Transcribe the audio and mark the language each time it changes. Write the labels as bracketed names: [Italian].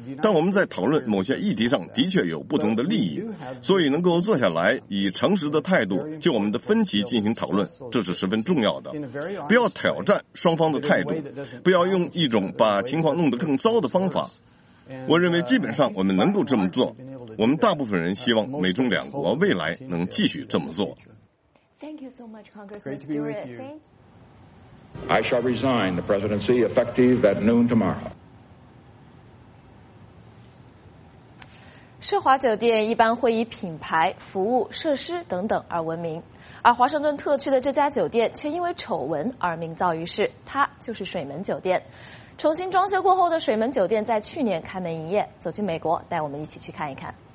[Chinese] 但我们在讨论某些议题上的确有不同的利益，所以能够坐下来以诚实的态度就我们的分歧进行讨论，这是十分重要的。不要挑战双方的态度，不要用一种把情况弄得更糟的方法。我认为基本上我们能够这么做，我们大部分人希望美中两国未来能继续这么做。 [English] Thank you so much, Congressman Stewart. I shall resign the presidency effective at noon tomorrow. [Chinese] 奢华酒店一般会以品牌、服务、设施等等而闻名，而华盛顿特区的这家酒店却因为丑闻而名噪于世，它就是水门酒店。重新装修过后的水门酒店在去年开门营业，走进美国带我们一起去看一看。